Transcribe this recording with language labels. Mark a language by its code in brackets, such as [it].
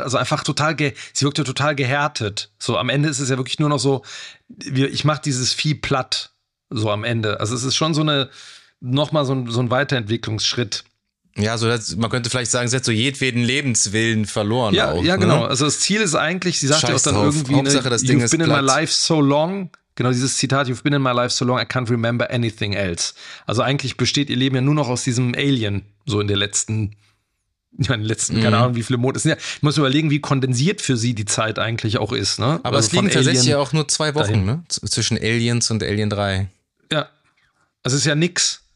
[de] Also einfach total, sie wirkt ja total gehärtet. So am Ende ist es ja wirklich nur noch so, ich mache dieses Vieh platt, so am Ende. Also es ist schon so eine, nochmal so ein Weiterentwicklungsschritt. Ja, so das, man könnte vielleicht sagen, sie hat so jedweden Lebenswillen verloren. Ja, auch, ja, ne? Genau. Also das Ziel ist eigentlich, sie sagt ja auch dann drauf. Irgendwie, ne, das Ding [en] you've been [de] glatt. [en] In my life so long. [de] Genau, dieses Zitat, [en] you've been in my life so long, I can't remember anything else. [de] Also eigentlich besteht ihr Leben ja nur noch aus diesem Alien, so in der letzten, keine Ahnung, wie viele Monate. Ja, ich muss überlegen, wie kondensiert für sie die Zeit eigentlich auch ist. Ne? Aber also es liegen tatsächlich ja auch nur 2 Wochen, ne? Zwischen Aliens und Alien 3. Ja, also es ist ja nix.